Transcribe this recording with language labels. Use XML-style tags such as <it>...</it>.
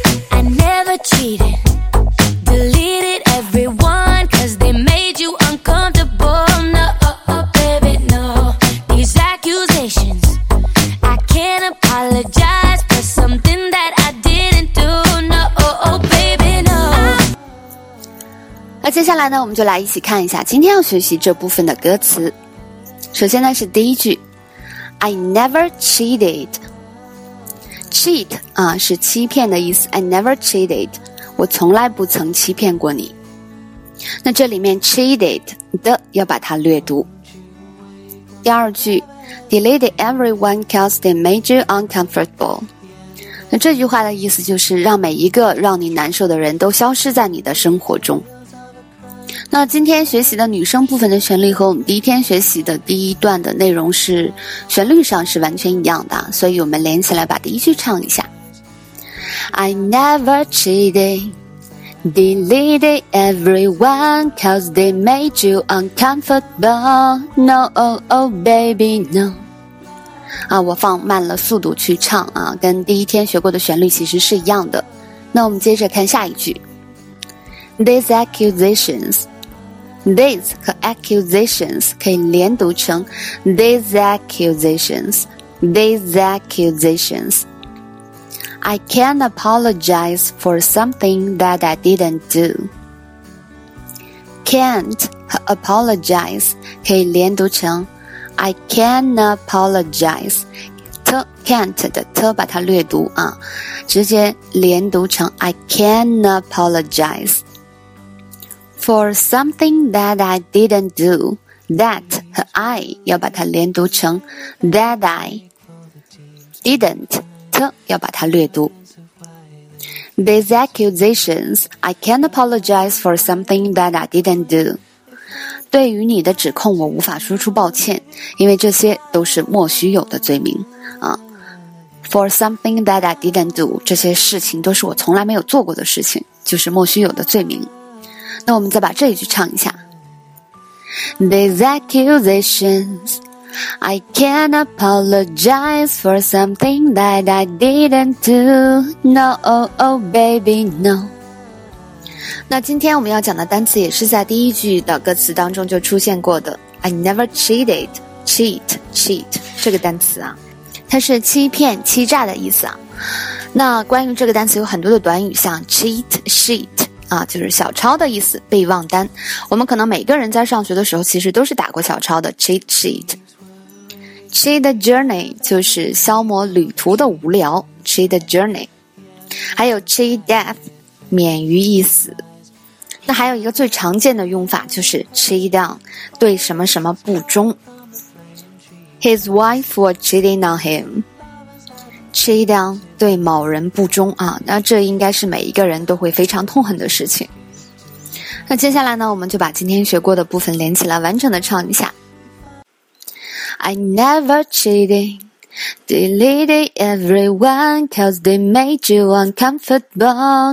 <en>I never cheated, deleted everyone, cause they made you uncomfortable. No, oh, oh, baby, no. These accusations, I can't apologize for something that I didn't do. No, oh, oh, baby, no.</en> <zh>那接下来呢，我们就来一起看一下今天要学习这部分的歌词。首先呢是第一句</zh> <en>I never cheated.</en> <zh>Cheat 啊，是欺骗的意思。</zh> <en>I never cheated,</en> <zh>我从来不曾欺骗过你。那这里面 cheated 的要把它略读。</zh> <en>第二句 Deleted everyone cause they made you uncomfortable.</en> <zh>那这句话的意思就是让每一个让你难受的人都消失在你的生活中。那今天学习的女生部分的旋律和我们第一天学习的第一段的内容是旋律上是完全一样的，所以我们连起来把第一句唱一下。</zh> <en>I never cheated, deleted everyone, cause they made you uncomfortable. No, oh, oh, baby, no.</en> <zh>啊，我放慢了速度去唱啊，跟第一天学过的旋律其实是一样的。那我们接着看下一句。</zh> <en>These accusations, these 和 accusations</en> <zh>可以连读成</zh> <en>these accusations, these accusations. I can't apologize for something that I didn't do. Can't 和 apologize</en> <zh>可以连读成</zh> <en>I can't apologize.</en> <zh>Can't 的 t 把它略读啊，直接连读成</zh> <en>I can't apologize. For something that I didn't do, that 和 I</en> <zh>要把它连读成</zh> <en>that I didn't, t</en> <zh>要把它略读。</zh> <en>These accusations, I can't apologize for something that I didn't do.</en> <zh>对于你的指控我无法说出抱歉，因为这些都是莫须有的罪名。</zh> <en>For something that I didn't do,</en> <zh>这些事情都是我从来没有做过的事情，就是莫须有的罪名。那我们再把这一句唱一下。</zh> <en>These accusations, I can't apologize for something that I didn't do. No, oh, oh, baby, no.</en> <zh>那今天我们要讲的单词也是在第一句的歌词当中就出现过的。</zh> <en>I never cheated,</en> <zh>cheat, cheat, 这个单词啊，它是欺骗、欺诈的意思啊。那关于这个单词有很多的短语，像 cheat, sheet,啊，就是小抄的意思，备忘单。我们可能每个人在上学的时候其实都是打过小抄的 cheat sheet。 cheat journey 就是消磨旅途的无聊 cheat journey。还有 cheat death 免于一死。那还有一个最常见的用法就是 cheat down 对什么什么不忠。</zh> <en>His wife was cheating on him。</en> <zh>cheat down 对某人不忠啊，那这应该是每一个人都会非常痛恨的事情。那接下来呢，我们就把今天学过的部分连起来完整的唱一下。</zh> <en>I never cheated, deleted everyone, cause they made you uncomfortable.</en>